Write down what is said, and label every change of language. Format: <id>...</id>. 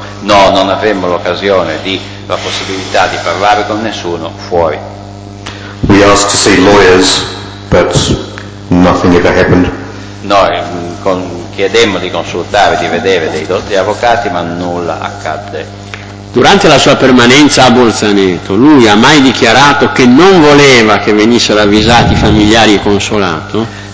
<it>No, non avemmo l'occasione di la possibilità di parlare con nessuno fuori.</it> <en>We asked to see lawyers, but nothing ever happened.</en> <it>Noi chiedemmo di consultare, di vedere dei avvocati, ma nulla accadde. Durante la sua permanenza a Bolzaneto, lui ha mai dichiarato che non voleva che venissero avvisati i familiari e consolato?</it>